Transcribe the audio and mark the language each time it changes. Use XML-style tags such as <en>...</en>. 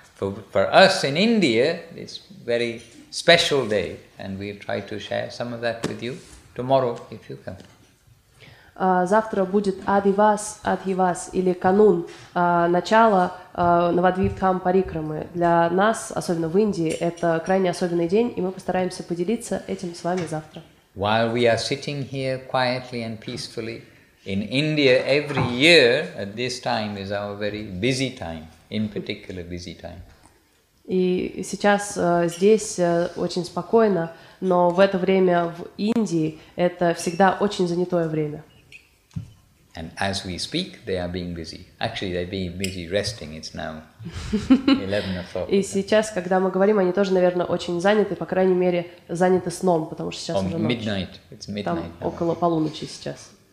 <en>For us in India, it's very special day, and we'll try to share some of that with you tomorrow, if you come.</en> <ru>Завтра будет Адивас, Адхивас, или канун, начало Навадвипхам Парикрамы. Для нас, особенно в Индии, это крайне особенный день, и мы постараемся поделиться этим с вами завтра.</ru> <en>While we are sitting here quietly and peacefully, in India every year at this time is our very busy time. in particular busy time.</en> <ru>И сейчас здесь очень спокойно, но в это время в Индии это всегда очень занятое время.</ru> <en>And as we speak, they are being busy. Actually, they're being busy resting. It's now 11 o'clock.</en> <ru>И сейчас, когда мы говорим, они тоже, наверное, очень заняты, по крайней мере, заняты сном, потому что сейчас уже ночь.</ru> <en>Midnight. It's midnight.</en> <ru>Там около полуночи сейчас.</ru>